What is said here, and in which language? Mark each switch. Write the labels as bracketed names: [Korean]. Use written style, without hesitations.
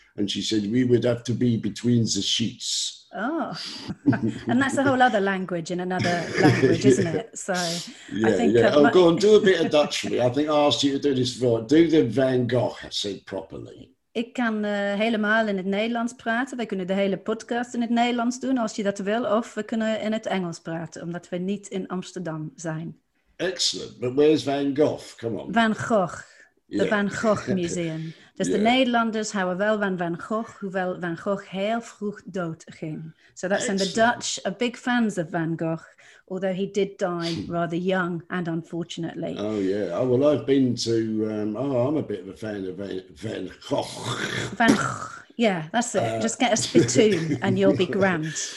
[English] And she said, we would have to be between the sheets. Oh, and that's a whole other language in another language, isn't it? So go on, do a bit of Dutch for me. I think I asked you to do this before. Do the Van Gogh, I said properly. [Dutch] Ik kan helemaal in het Nederlands praten. Wij kunnen de hele podcast in het Nederlands doen, als je dat wil. Of we kunnen in het Engels praten, omdat we niet in Amsterdam zijn. [English] Excellent. But where's Van Gogh? Come on. Van Gogh. The Van Gogh Museum. [Dutch] Dus de Nederlanders houden wel van Van Gogh, hoewel Van Gogh heel vroeg dood ging. [English] So that's when the Dutch are big fans of Van Gogh, although he did die rather young and unfortunately. Oh, yeah. Oh, well, I've been to... I'm a bit of a fan of Van Gogh. Van Gogh. Yeah, that's it. Just get a spittoon and you'll be grand.